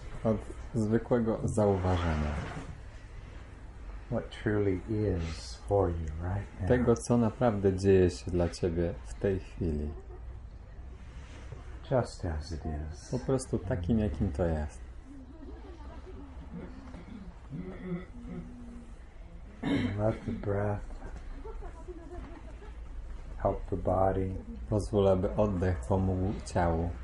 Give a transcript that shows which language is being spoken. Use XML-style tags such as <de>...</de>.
<pl>od zwykłego zauważenia</pl> <en>what truly is for you right now.</en> <pl>Tego, co naprawdę dzieje się dla ciebie w tej chwili.</pl> <en>Just as it is.</en> <pl>Po prostu takim, jakim to jest.</pl> <en>Let the breath help the body.</en> <pl>Pozwól, aby oddech pomógł ciału.</pl>